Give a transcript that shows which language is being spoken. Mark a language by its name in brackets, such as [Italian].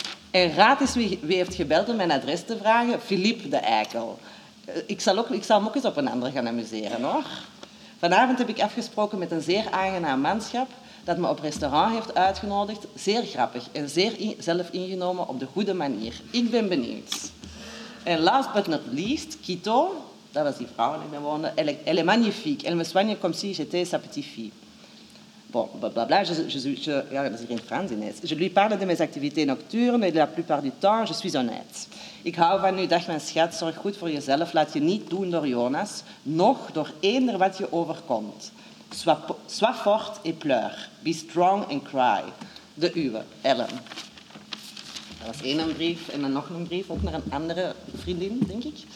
[Dutch] En raad eens wie heeft gebeld om mijn adres te vragen. Philippe de Eikel. Ik zal hem ook eens op een ander gaan amuseren, hoor. Vanavond heb ik afgesproken met een zeer aangenaam manschap dat me op restaurant heeft uitgenodigd. Zeer grappig en zeer zelf ingenomen op de goede manier. Ik ben benieuwd. [French] En [English] last but not least, [French] Quito, [Dutch] dat was die vrouw waar ik mee woonde, [French] elle est magnifique, elle me soigne comme si j'étais sa petite fille. Bon, blablabla, [Dutch] ja, dat is hier in Frans ineens. [French] Je lui parle de mes activités nocturnes et de la plupart du temps, je suis honnête. [Dutch] Ik hou van u, dag mijn schat, zorg goed voor jezelf, laat je niet doen door Jonas, nog door eender wat je overkomt. [French] Sois fort et pleure, [English] be strong and cry. [Dutch] De uwe, [French] Ellen. [Dutch] Dat was één brief en dan nog een brief, ook naar een andere vriendin, denk ik.